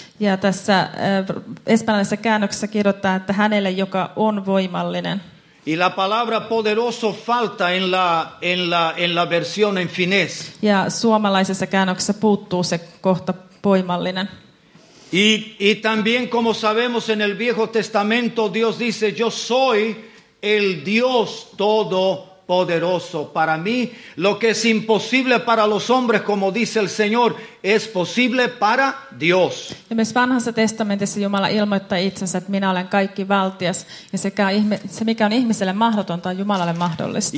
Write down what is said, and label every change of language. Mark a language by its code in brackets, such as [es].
[fi] Ja tässä espanjalaisessa käännöksessä kirjoittaa, että hänelle, joka on voimallinen. [es] Y la palabra poderoso falta en la versión en finés. [fi] Ja suomalaisessa käännöksessä puuttuu se kohta voimallinen. [es] Y también como sabemos en el Viejo Testamento Dios dice yo soy el Dios todo poderoso para mí, lo que es imposible para los hombres, como dice el Señor, es posible para Dios. [fi] Ja myös vanhassa testamentissa Jumala ilmoittaa itsensä, että minä olen kaikki valtias, ja se mikä on ihmiselle mahdotonta, on Jumalalle mahdollista.